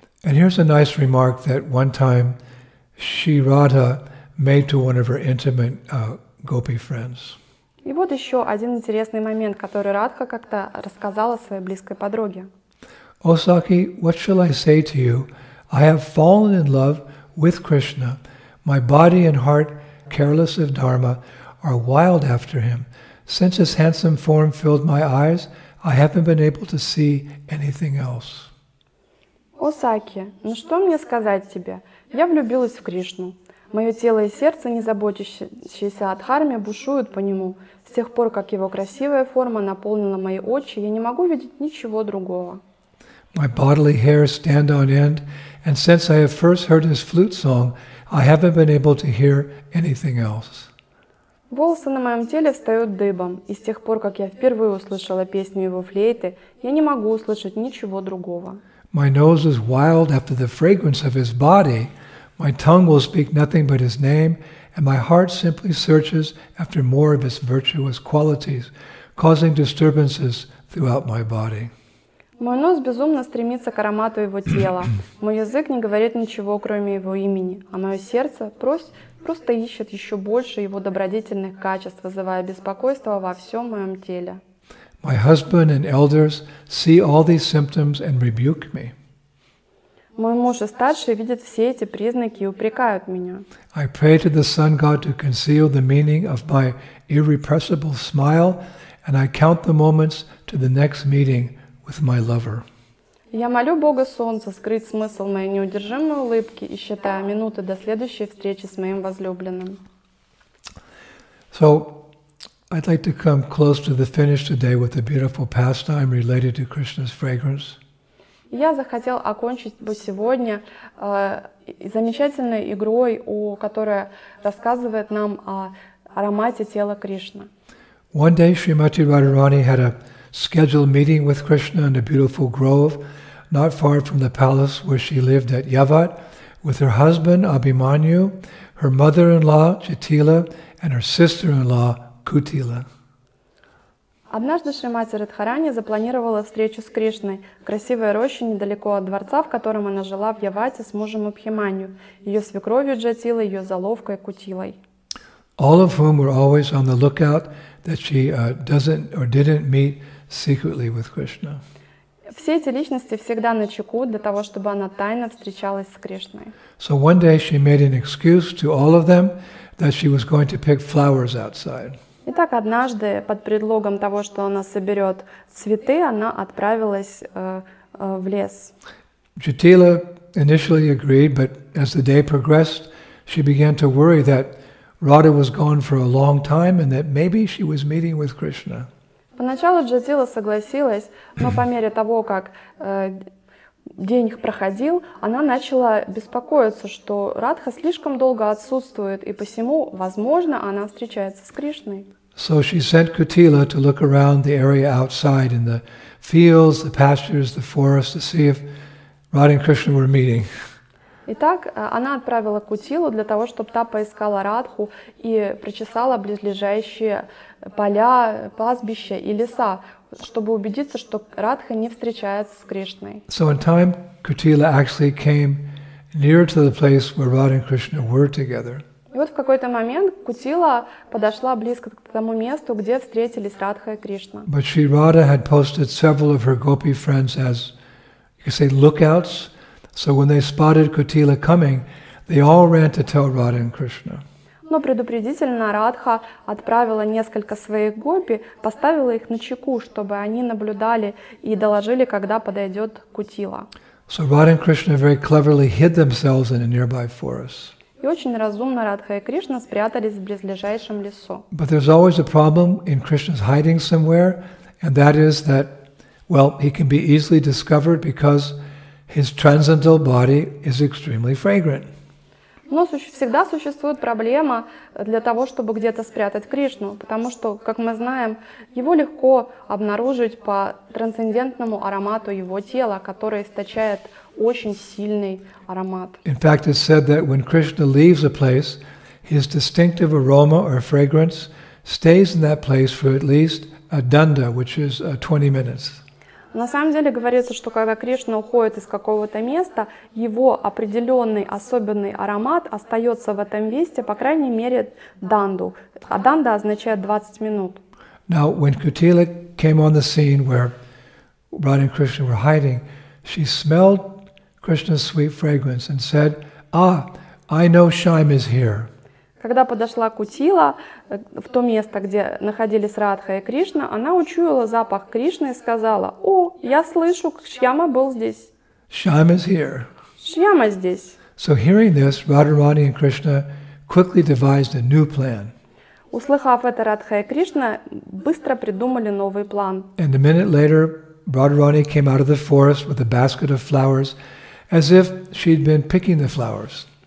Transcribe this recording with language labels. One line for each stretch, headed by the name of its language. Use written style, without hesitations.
English: And here's a nice remark that one time Sri Radha made to one of her intimate gopi friends.
Russian: И вот еще один интересный момент, который Радха как-то рассказала своей близкой подруге.
English: "O Sakhi, what shall I say to you? I have fallen in love with Krishna. My body and heart, careless of dharma, are wild after him. Since his handsome form filled my eyes, I haven't been able to see anything else."
Russian: О, Саки, ну что мне сказать тебе? Я влюбилась в Кришну. Мое тело и сердце, не заботящиеся о дхарме, бушуют по нему. С тех пор, как его красивая форма наполнила мои очи, я не могу видеть ничего другого.
English: My bodily hairs stand on end, and since I have first heard his flute song, I haven't been able to hear anything else.
Russian: Волосы на моем теле встают дыбом, и с тех пор, как я впервые услышала песню его флейты, я не могу услышать ничего другого.
English: My nose is wild after the fragrance of his body. My tongue will speak nothing but his name, and my heart simply searches after more of his virtuous qualities, causing disturbances throughout my body.
Russian: Мой нос безумно стремится к аромату его тела. Мой язык не говорит ничего, кроме его имени, а мое сердце просто ищет еще больше его добродетельных качеств, вызывая беспокойство во всем моем теле.
English: My husband and elders see all these symptoms and rebuke me.
Russian: Мой муж и старший видят все эти признаки и упрекают меня.
English: I pray to the sun god to conceal the meaning of my irrepressible smile, and I count the moments to the next meeting with my lover.
Russian: Я молю Бога солнца скрыть смысл моей неудержимой улыбки и считаю минуты до следующей встречи с моим возлюбленным.
English: So, I'd like to come close to the finish today with a beautiful pastime related to Krishna's fragrance.
Russian: Я захотел окончить бы сегодня замечательной игрой, которая рассказывает нам о аромате тела Кришны.
English: One day Srimati Radharani had a scheduled meeting with Krishna in a beautiful grove not far from the palace where she lived at Yavat with her husband Abhimanyu, her mother-in-law Chitila, and her sister-in-law Kutila.
Russian: Однажды Шримати Радхарани запланировала встречу с Кришной в красивой роще недалеко от дворца, в котором она жила в Явате с мужем Абхиманью, ее свекровью Джатилой, ее заловкой Кутилой.
English: All of whom were always on the lookout that she doesn't or didn't meet secretly with Krishna.
Russian: Все эти личности всегда на чеку для того, чтобы она тайно встречалась с Кришной.
English: So one day she made an excuse to all of them that she was going to pick flowers outside.
Russian: Итак, однажды, под предлогом того, что она соберет цветы, она отправилась в лес.
English: Jatila initially agreed, but as the day progressed, she began to worry that Radha was gone for a long time and that maybe she was meeting with Krishna.
Russian: Поначалу Джатила согласилась, но по мере того, как день проходил, она начала беспокоиться, что Радха слишком долго отсутствует, и посему, возможно, она встречается с Кришной.
English: So she sent Kutila to look around the area outside in the fields, the pastures, the forest to see if Radha and Krishna were meeting.
Russian: Итак, она отправила Кутилу для того, чтобы та поискала Радху и прочесала близлежащие поля, пастбища и леса, чтобы убедиться, что Радха не встречается с Кришной.
English: So in time, Kutila actually came near to the place where Radha and Krishna were together.
Russian: И вот в какой-то момент Кутила подошла близко к тому месту, где встретились Радха и Кришна.
English: But Sri Radha had posted several of her gopi friends as, you could say, lookouts. So when they spotted Kutila coming, they all ran to tell Radha and Krishna.
Russian: Но предупредительно Радха отправила несколько своих гопи, поставила их на чеку, чтобы они наблюдали и доложили, когда подойдет Кутила.
English: So Radha and Krishna very cleverly hid themselves in a nearby forest.
Russian: И очень разумно Радха и Кришна спрятались в близлежащем лесу.
English: But there's always a problem in Krishna's hiding somewhere, and that is that, well, he can be easily discovered because his transcendental body is extremely fragrant.
Russian: Но всегда существует проблема для того, чтобы где-то спрятать Кришну, потому что, как мы знаем, его легко обнаружить по трансцендентному аромату его тела, который источает очень сильный аромат.
English: In fact, it's said that when Krishna leaves a place, his distinctive aroma or fragrance stays in that place for at least a danda, which is 20 minutes.
Russian: На самом деле говорится, что когда Кришна уходит из какого-то места, его определенный особенный аромат остается в этом месте, по крайней мере, данду. А данда означает 20 минут.
English: Now, when Kutila came on the scene where Radha and Krishna were hiding, she smelled Krishna's sweet fragrance and said, "Ah, I know Shyam is here."
Russian: Когда подошла Кутила в то место, где находились Радха и Кришна, она учуяла запах Кришны и сказала: «О, я слышу, Шьяма был здесь».
English: Shyama is here.
Russian: Шьяма здесь.
English: So hearing this, Radharani and Krishna quickly devised a new plan.
Russian: Услыхав это, Радха и Кришна быстро придумали новый план.
English: And a minute later, Radharani came out of the forest with a basket of flowers, as if she'd been picking the flowers.